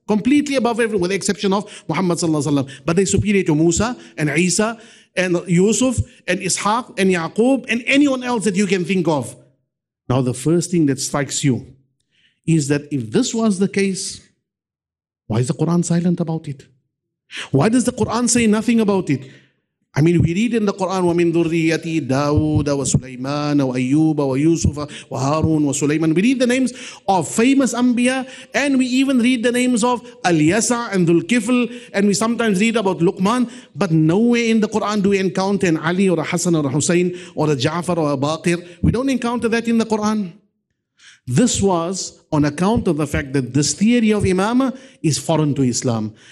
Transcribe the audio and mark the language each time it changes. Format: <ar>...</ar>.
<en>Completely above everyone, with the exception of Muhammad sallallahu alaihi wasallam. But they're superior to Musa and Isa and Yusuf and Ishaq and Yaqub and anyone else that you can think of. Now the first thing that strikes you is that if this was the case, why is the Quran silent about it? Why does the Quran say nothing about it? I mean, we read in the Quran,</en> <ar>وَمِن ذُرِّيَّتِي دَاوُدَ وَسُلَيْمَانَ وَأَيُّوبَ وَيُوسُفَ وَهَارُونَ وَسُلَيْمَانَ.</ar> <en>We read the names of famous Anbiya, and we even read the names of Al-Yasa' and Dhul-Kifl, and we sometimes read about Luqman, but nowhere in the Quran do we encounter an Ali or a Hassan or a Hussein or a Ja'far or a Baqir. We don't encounter that in the Quran. This was on account of the fact that this theory of Imama is foreign to Islam.</en>